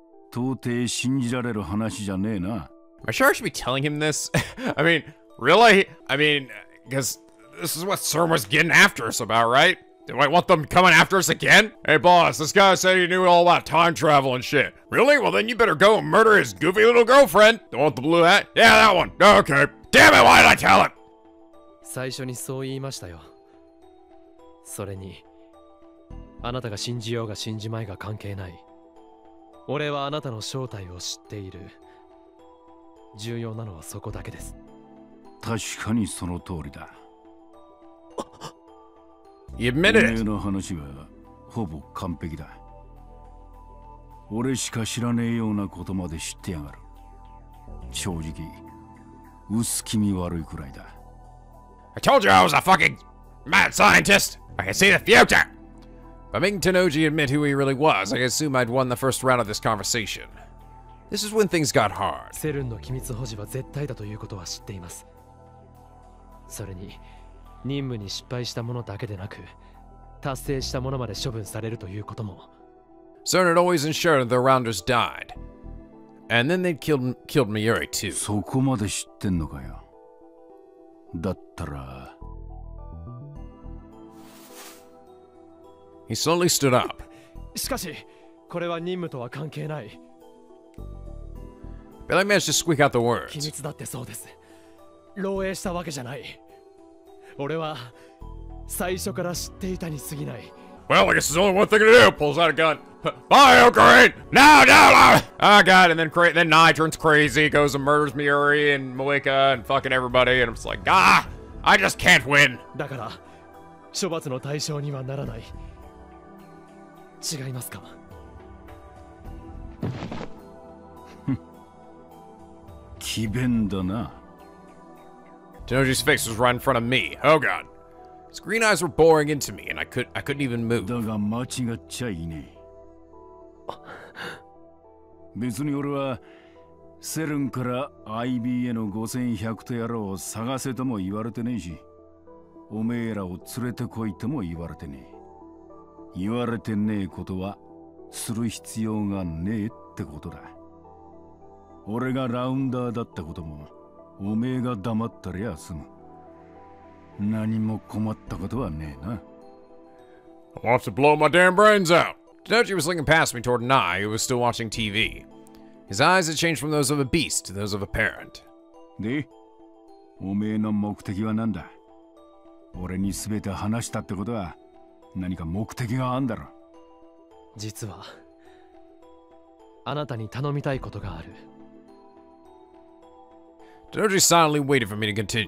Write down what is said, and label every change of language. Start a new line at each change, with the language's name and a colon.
Japanese: 到底信じられる話じゃねえな。
English: Am I sure I should be telling him this? I mean, really? I mean, because this is what CERN was getting after us about, right? Do I want them coming after us again? Hey boss, this guy said he knew all about time travel and shit. Really? Well then you better go and murder his goofy little girlfriend. Do you want the blue hat? Yeah, that one. Okay. Damn it, why did I tell him?
Japanese: 最初にそう言いましたよ。それに、あなたが信じようが信じまいが関係ない。俺はあなたの正体を知っている。重要なのはそこだけです。確かにその通りだ。
English: You admitted it!
Japanese: の話はほぼ完璧だ。俺しか知らねえようなことまで知ってやがる。正直、薄気味悪いくらいだ。
English: I told you I was a fucking mad scientist! I can see the future! By making Tanuji admit who he really was, I assume I'd won the first round of this conversation. This is when things got hard.
Japanese: セルンの機密保持は絶対だということは知っています。それに、任務に失敗した者だけでなく、達成した者まで処分されるということも。
English: CERN had always ensured that the rounders died. And then they'd killed Miyuri too.
Japanese: そこまで知ってんのかよ。だったら。
English: He slowly stood up.
Japanese: しかし、これは任務とは関係ない。
English: But I managed to squeak out the words.
Japanese: 機密だってそうです。漏洩したわけじゃない。俺は最初から知っていたに過ぎない。
English: Well, I guess there's only one thing to do. Pulls out a gun. Bye, Green! Now, now, now! Oh, God, and then Nye turns crazy, goes and murders Miyuri and Moika and fucking everybody, and I'm just like, ah! I just can't win!
Japanese: だから、処罰の対象にはならない。違いますか？奇弁だな。
English: Tanuji's face was right in front of me. Oh god. His green eyes were boring into me, and I couldn't even move.
Japanese: だが間違っちゃいねえ。別に俺は、セルンから IBA の5100とやらを探せとも言われてねえし、おめえらを連れてこいとも言われてねえ。言われてねえことは、する必要がねえってことだ。俺がラウンダーだったことも、おめえが黙ったりゃ済む。何も困ったことはねえな。
English: I want to blow my damn brains out! Tanuji was looking past me toward Nye, who was still watching TV. His eyes had changed from those of a beast to those of a parent.
Japanese: で、おめえの目的は何だ？俺にすべて話したってことは、何か目的があんだろ。実は、あなたに頼みたいことがある。
English: Tanuji silently waited for me to continue.